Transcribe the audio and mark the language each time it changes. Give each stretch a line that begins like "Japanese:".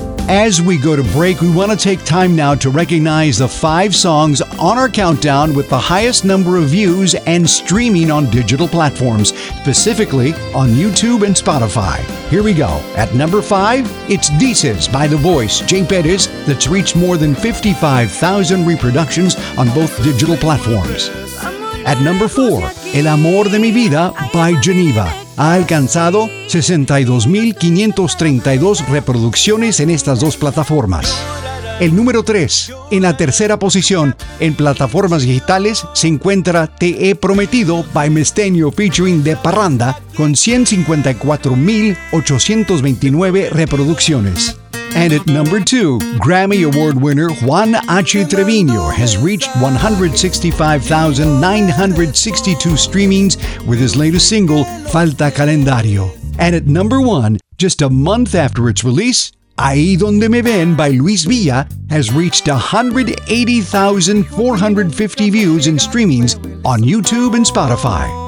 English: As we go to break, we want to take time now to recognize the five songs on our countdown with the highest number of views and streaming on digital platforms, specifically on YouTube and Spotify. Here we go. At number five, it's Dices by The Voice, Jay Perez, that's reached more than 55,000 reproductions on both digital platforms. At number four, El Amor de Mi Vida by Geneva.
Spanish: Ha alcanzado 62,532 reproducciones en estas dos plataformas. El número 3, en la tercera posición, en plataformas digitales, se encuentra Te He Prometido by Mestenio featuring De Parranda, con 154,829 reproducciones.
English: And at number 2, Grammy Award winner Juan H. Treviño has reached 165,962 streamings with his latest single, Falta Calendario. And at number 1, just a month after its release, Ahí Donde Me Ven by Luis Villa has reached 180,450 views and streamings on YouTube and Spotify.